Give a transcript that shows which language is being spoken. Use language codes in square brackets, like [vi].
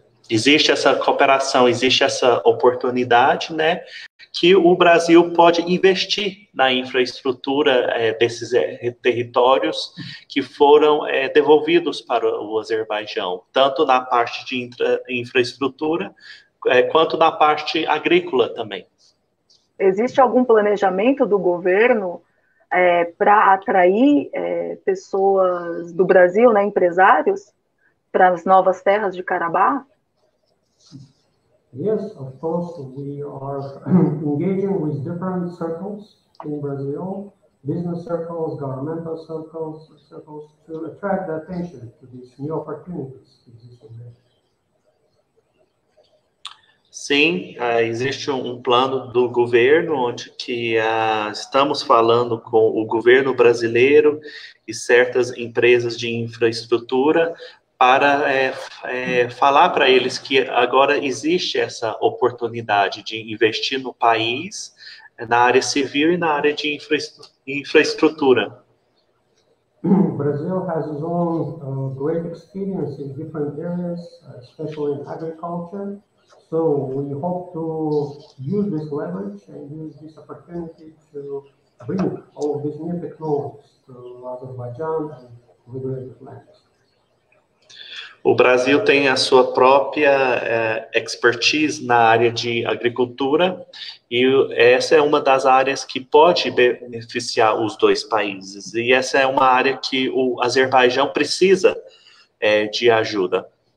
[pt] existe essa cooperação, existe essa oportunidade, né, que o Brasil pode investir na infraestrutura, desses territórios que foram, devolvidos para o Azerbaijão, tanto na parte de infraestrutura, quanto na parte agrícola também. Existe algum planejamento do governo para atrair pessoas do Brasil, né, empresários, para as novas terras de Karabakh? [en] Yes, of course, we are engaging with different circles in Brazil, business circles, governmental circles, to attract the attention to these new opportunities existing there. [pt] Sim, existe um plano do governo onde que estamos falando com o governo brasileiro e certas empresas de infraestrutura para falar para eles que agora existe essa oportunidade de investir no país, na área civil e na área de infraestrutura. [en] Brazil has its own great experience in different areas, especially in agriculture. So we hope to use this leverage and use this opportunity to bring all of these new technologies to Azerbaijan and the related lands. [pt] O Brasil tem a sua própria expertise na área de agricultura e essa é uma das áreas que pode beneficiar os dois países. E essa é uma área que o Azerbaijão precisa de ajuda.